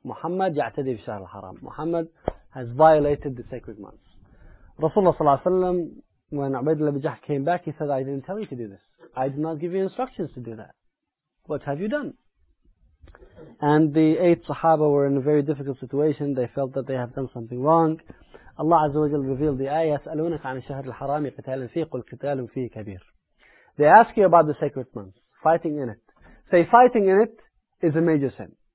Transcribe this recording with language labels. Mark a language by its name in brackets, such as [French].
[Arabic] Muhammad ya'tadi bi shahr al-haram. [English] Muhammad has violated the sacred months. Rasulullah sallallahu alayhi wa sallam, when Ubaydullah ibn Jahsh came back, he said, I didn't tell you to do this. I did not give you instructions to do that. What have you done? And the eight Sahaba were in a very difficult situation. They felt that they have done something wrong. [Arabic] Allah Azza wa Jalla [English] revealed the ayah, [Arabic] يَسْأَلُونَكَ عَنِ الشَّهْرِ الْحَرَامِ قِتَالٍ فِيهِ قُلْ قِتَالٌ فِيهِ كَبِيرٌ. [English] They ask you about the sacred month, fighting in it. Say, fighting in it is a major sin.